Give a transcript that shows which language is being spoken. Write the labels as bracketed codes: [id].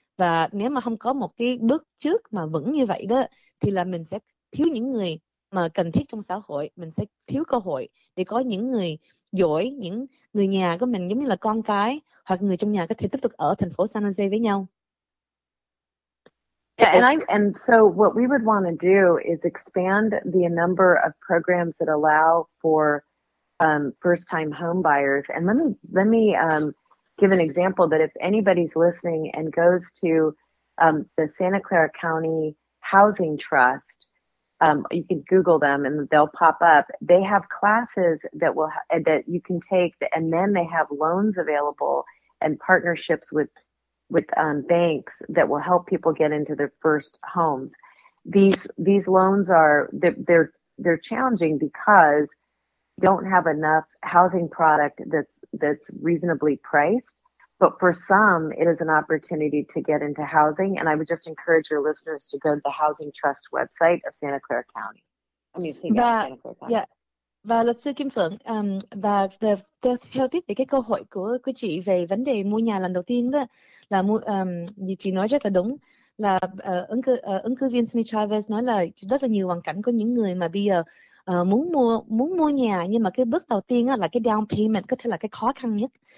[vi] Và nếu mà không có một cái bước trước mà vững như vậy đó, thì là mình sẽ thiếu những người mà cần thiết trong xã hội, mình sẽ thiếu cơ hội để có những người giỏi, những người nhà của mình giống như là con cái hoặc người trong nhà có thể tiếp tục ở thành phố San Jose với nhau. [en] Yeah, and so what we would want to do is expand the number of programs that allow for first-time home buyers. And let me give an example that if anybody's listening and goes to the Santa Clara County Housing Trust, you can Google them and they'll pop up. They have classes that will that you can take, and then they have loans available and partnerships with banks that will help people get into their first homes. These loans are they're challenging because you don't have enough housing product that's reasonably priced. But for some, it is an opportunity to get into housing. And I would just encourage your listeners to go to the Housing Trust website of Santa Clara County. Yeah, [vi] Và luật sư Kim Phượng, và theo tiếp về cái câu hỏi của quý chị về vấn đề mua nhà lần đầu tiên đó, là như chị nói rất là đúng, là ứng cử viên Cindy Chavez nói là rất là nhiều hoàn cảnh của những người mà bây giờ muốn mua nhà, nhưng mà cái bước đầu tiên là cái down payment có thể là cái khó khăn nhất.